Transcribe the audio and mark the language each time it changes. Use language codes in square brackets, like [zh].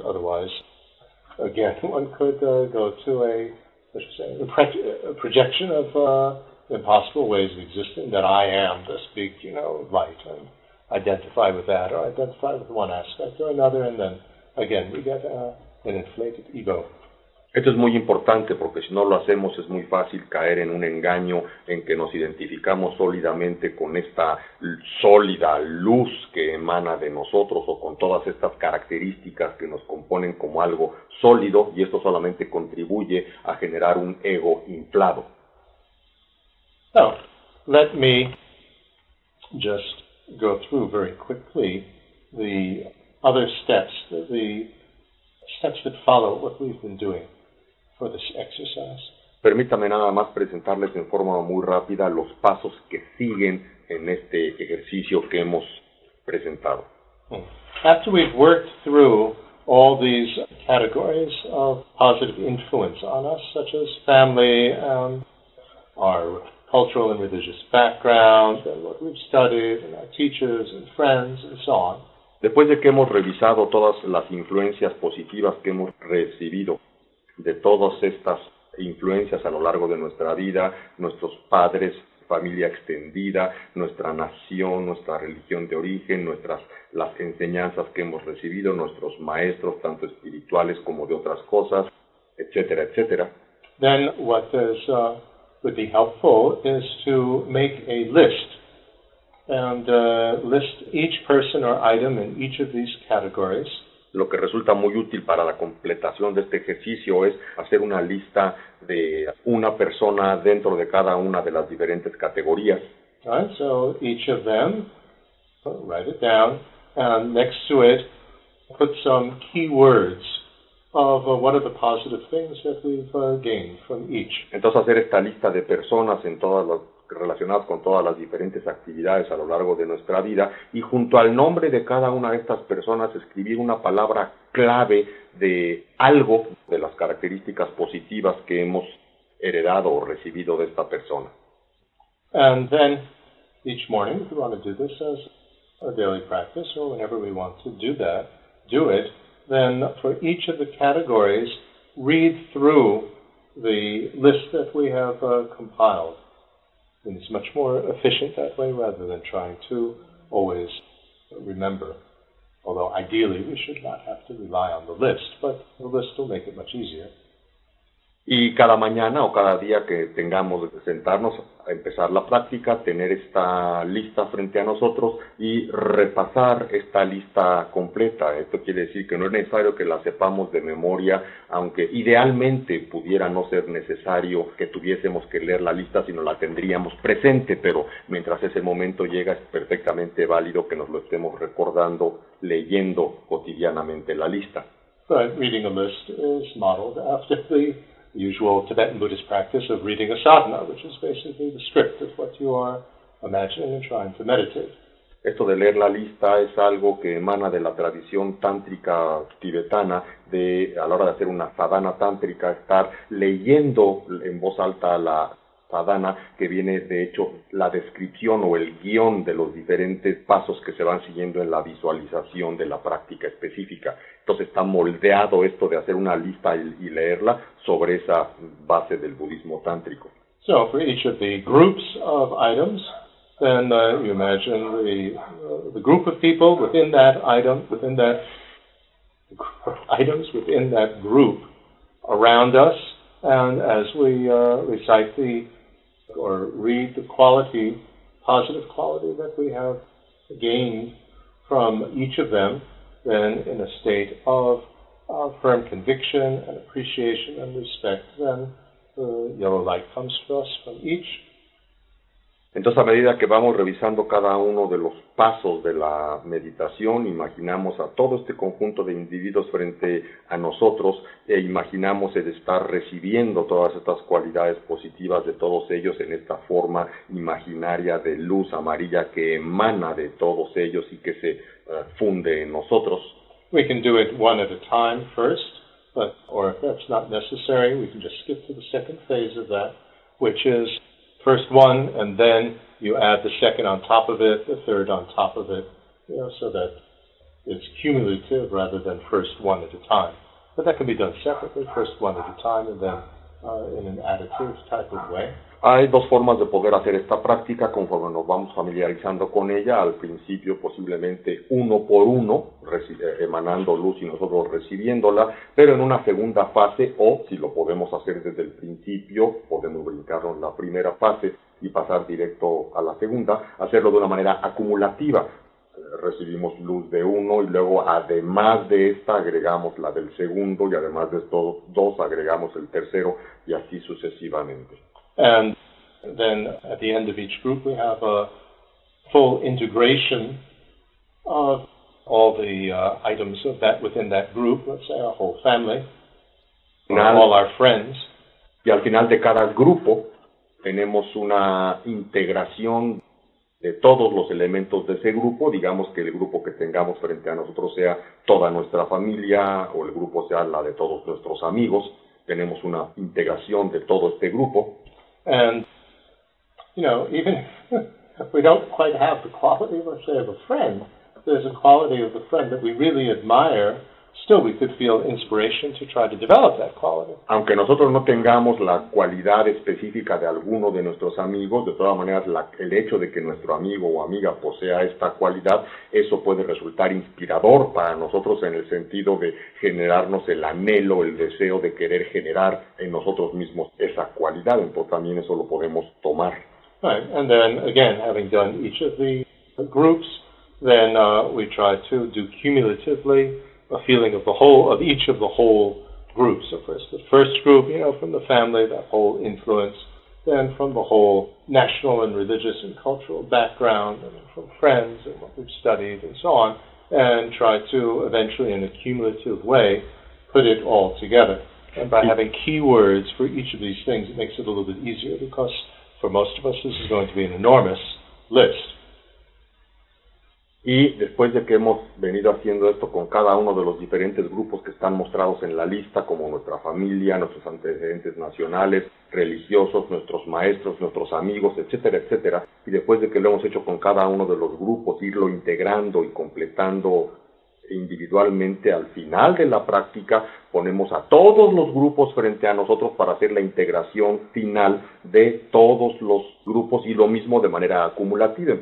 [en] Otherwise, again, one could go to a projection of impossible ways of existing, that I am to speak, you know, light, and identify with that, or identify with one aspect or another, and then, again, we get an inflated ego. [es] Esto es muy importante porque si no lo hacemos es muy fácil caer en un engaño en que nos identificamos sólidamente con esta sólida luz que emana de nosotros o con todas estas características que nos componen como algo sólido y esto solamente contribuye a generar un ego inflado. [en] Now, let me just go through very quickly the other steps, the steps that follow what we've been doing. For this exercise. [es] Permítame nada más presentarles en forma muy rápida los pasos que siguen en este ejercicio que hemos presentado. [en] After we've worked through all these categories of positive influence on us, such as family, our cultural and religious background, and what we've studied, and our teachers and friends, and so on. [es] Después de que hemos revisado todas las influencias positivas que hemos recibido, de todas estas influencias a lo largo de nuestra vida, nuestros padres, familia extendida, nuestra nación, nuestra religión de origen, las enseñanzas que hemos recibido, nuestros maestros, tanto espirituales como de otras cosas, etcétera, etcétera. [en] Then what is would be helpful is to make a list and list each person or item in each of these categories. [es] Lo que resulta muy útil para la completación de este ejercicio es hacer una lista de una persona dentro de cada una de las diferentes categorías. [en] Right, so each of them, write it down, and next to it, put some keywords of what are the positive things that we've gained from each. [es] Entonces hacer esta lista de personas en todas las relacionadas con todas las diferentes actividades a lo largo de nuestra vida, y junto al nombre de cada una de estas personas escribir una palabra clave de algo de las características positivas que hemos heredado o recibido de esta persona. [en] And then, each morning, if we want to do this as a daily practice, or whenever we want to do that, do it, then for each of the categories, read through the list that we have compiled. And it's much more efficient that way rather than trying to always remember. Although ideally we should not have to rely on the list, but the list will make it much easier. [es] Y cada mañana o cada día que tengamos de sentarnos a empezar la práctica, tener esta lista frente a nosotros y repasar esta lista completa. Esto quiere decir que no es necesario que la sepamos de memoria, aunque idealmente pudiera no ser necesario que tuviésemos que leer la lista, sino la tendríamos presente, pero mientras ese momento llega es perfectamente válido que nos lo estemos recordando leyendo cotidianamente la lista. [en] But reading a list is modeled after the usual Tibetan Buddhist practice of reading a sadhana, which is basically the script of what you are imagining and trying to meditate. [es] Esto de leer la lista es algo que emana de la tradición tántrica tibetana de, a la hora de hacer una sadhana tántrica, estar leyendo en voz alta la sadhana, que viene de hecho la descripción o el guión de los diferentes pasos que se van siguiendo en la visualización de la práctica específica. Entonces está moldeado esto de hacer una lista y leerla sobre esa base del budismo tántrico. [en] So for each of the groups of items, then you imagine the group of people within that group around us, and as we recite the or read the quality, positive quality that we have gained from each of them, then in a state of firm conviction and appreciation and respect, then the yellow light comes to us from each. [es] Entonces, a medida que vamos revisando cada uno de los pasos de la meditación, imaginamos a todo este conjunto de individuos frente a nosotros e imaginamos el estar recibiendo todas estas cualidades positivas de todos ellos en esta forma imaginaria de luz amarilla que emana de todos ellos y que se funde en nosotros. [en] We can do it one at a time first, or if that's not necessary, we can just skip to the second phase of that, which is first one, and then you add the second on top of it, the third on top of it, you know, so that it's cumulative rather than first one at a time. But that can be done separately, first one at a time, and then in an additive type of way. [es] Hay dos formas de poder hacer esta práctica conforme nos vamos familiarizando con ella. Al principio posiblemente uno por uno, emanando luz y nosotros recibiéndola, pero en una segunda fase, o si lo podemos hacer desde el principio, podemos brincarnos la primera fase y pasar directo a la segunda, hacerlo de una manera acumulativa. Recibimos luz de uno y luego además de esta agregamos la del segundo y además de estos dos agregamos el tercero y así sucesivamente. [en] And then at the end of each group, we have a full integration of all the items of that within that group, let's say our whole family, all our friends. [es] Y al final de cada grupo, tenemos una integración de todos los elementos de ese grupo. Digamos que el grupo que tengamos frente a nosotros sea toda nuestra familia, o el grupo sea la de todos nuestros amigos. Tenemos una integración de todo este grupo. [en] And, you know, even if we don't quite have the quality, let's say, of a friend, there's a quality of the friend that we really admire, Still, we could feel inspiration to try to develop that quality. [es] Aunque nosotros no tengamos la cualidad específica de alguno de nuestros amigos, de todas maneras, el hecho de que nuestro amigo o amiga posea esta cualidad, eso puede resultar inspirador para nosotros en el sentido de generarnos el anhelo, el deseo de querer generar en nosotros mismos esa cualidad. Entonces, también eso lo podemos tomar. [en] Right. And then, again, having done each of the groups, then we try to do cumulatively a feeling of the whole, of each of the whole groups. So first, the first group, you know, from the family, that whole influence. Then from the whole national and religious and cultural background, and from friends and what we've studied and so on, and try to eventually, in a cumulative way, put it all together. And by having keywords for each of these things, it makes it a little bit easier, because for most of us, this is going to be an enormous list. [es] Y después de que hemos venido haciendo esto con cada uno de los diferentes grupos que están mostrados en la lista, como nuestra familia, nuestros antecedentes nacionales, religiosos, nuestros maestros, nuestros amigos, etcétera, etcétera, y después de que lo hemos hecho con cada uno de los grupos, irlo integrando y completando individualmente, al final de la práctica, ponemos a todos los grupos frente a nosotros para hacer la integración final de todos los grupos, y lo mismo de manera acumulativa.